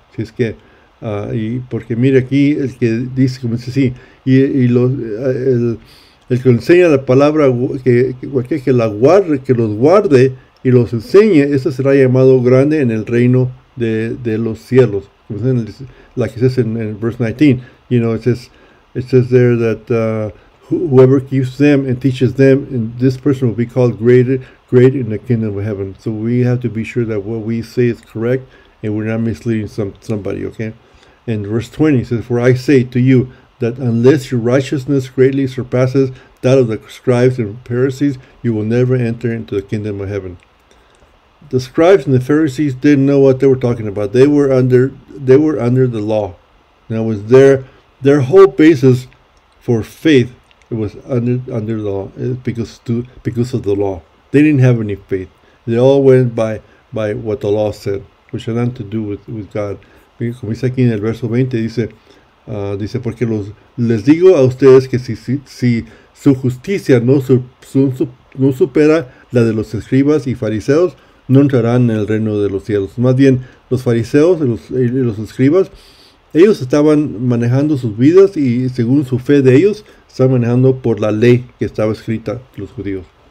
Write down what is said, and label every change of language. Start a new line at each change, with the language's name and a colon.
Spanish: Si es que, y porque mire aquí, el que dice, como dice, sí, el que enseña la palabra, que los guarde y los enseñe, ese será llamado grande en el reino de los cielos. Como dice en el
English: verse 19, you know, it says there that whoever keeps them and teaches them, and this person will be called great in the kingdom of heaven. So we have to be sure that what we say is correct and we're not misleading somebody, okay? And verse 20 says, for I say to you, that unless your righteousness greatly surpasses that of the scribes and Pharisees, you will never enter into the kingdom of heaven. The scribes and the Pharisees didn't know what they were talking about. They were under the law. Now, was their whole basis for faith, it was under the law, because of the law. They didn't have any faith. They all went by what the law said, which had nothing to do with God.
Spanish: Como dice aquí en el verso 20, dice porque les digo a ustedes que si su justicia no supera la de los escribas y fariseos, no entrarán en el reino de los cielos. Más bien, los fariseos y los escribas, ellos estaban manejando sus vidas y según su fe de ellos, estaban manejando por la ley que estaba escrita los judíos.